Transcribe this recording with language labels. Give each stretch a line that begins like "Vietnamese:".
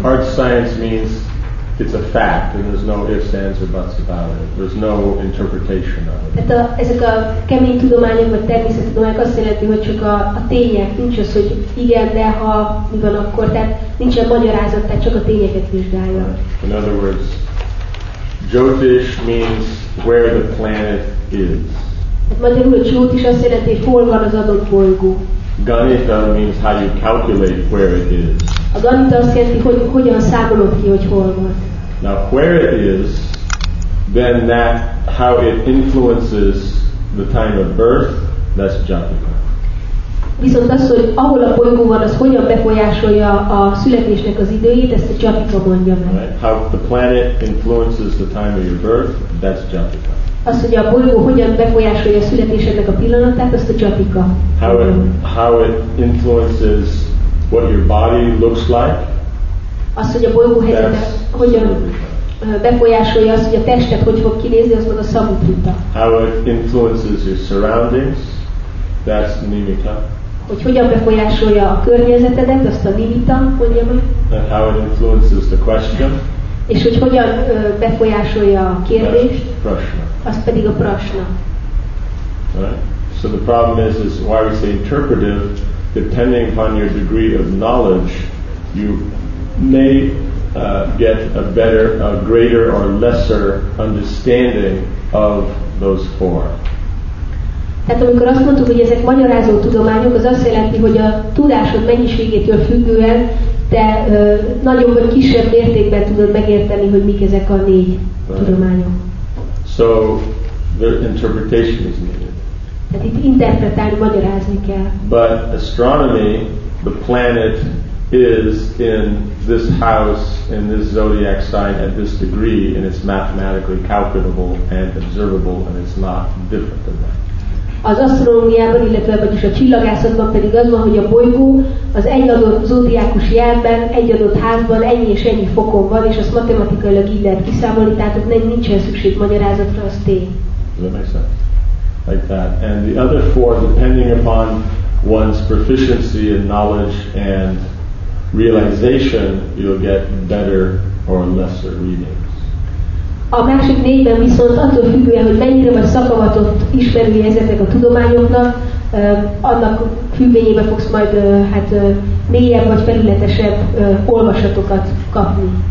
English: hard science means it's a fact, and there's no ifs, ands, or buts about it. There's no interpretation of it.
Hungarian: Tehát ezek a kemény tudományok, vagy természettudományok azt jelenti, hogy csak a tények, nincs az, hogy igen, de ha mi van akkor, tehát nincsen magyarázat, tehát csak a tényeket vizsgálja.
English: In other words, Jyotish means where the planet is.
Hungarian: Magyarul Jyotish azt jelenti, hol van az adott bolygó.
English: Ganita means how you calculate where it is.
Hungarian: A ganita azt jelenti, hogy hogyan számolod ki, hogy hol van.
English: Now where it is, then that how it influences the time of birth, that's Jyotish.
Hungarian: Viszont az, hogy ahol a bolygó van, az hogyan befolyásolja a születésnek az időjét, ezt a Jyotish mondja meg.
English: Right. How the planet influences the time of your birth, that's Jyotish.
Hungarian: Az, hogy a bolygó hogyan befolyásolja a születésednek a pillanatát, azt a Jyotish.
English: How it influences what your body looks like.
Hungarian: Az, hogy a bolygó hogyan befolyásolja azt, hogy a testet hogy fog kinézni, az meg a Samudrita.
English: How it influences your surroundings, that's Nimitta.
Hungarian: Hogy hogyan befolyásolja a környezetedet, azt a Nimitta mondja meg.
English: And how it influences the question.
Hungarian: És hogy hogyan befolyásolja a kérdést.
English: Prashna.
Hungarian: Azt pedig a Prashna.
English: Right. So the problem is why we say interpretive, depending upon your degree of knowledge, you may get a greater or lesser understanding of those four.
Hungarian: Tehát amikor azt mondtuk, hogy ezek magyarázó tudományok, az azt jelenti, hogy a tudásod mennyiségétől függően te nagyobb vagy kisebb mértékben tudod megérteni, hogy mik ezek a négy tudományok.
English: So the interpretation is needed.
Hungarian: Tehát itt interpretálni, magyarázni kell.
English: But astronomy, the planet is in this house, in this zodiac sign at this degree, and it's mathematically calculable and observable, and it's not different than that.
Hungarian: Az asztronómiában, illetve vagyis a csillagászatban pedig az van, hogy a bolygó az egy adott zodiákus jelben, egy adott házban, ennyi és ennyi fokon van, és azt matematikailag így lehet kiszámolni, tehát ott nincsen szükség magyarázatra, az tény.
English: Like that. And the other four, depending upon one's proficiency and knowledge and realization, you'll get better or lesser readings.
Hungarian: A másik négyben viszont attól függően, hogy mennyire vagy szakavatott ismerője ezeknek a tudományoknak, annak függvényében fogsz majd mélyebb vagy felületesebb olvasatokat kapni.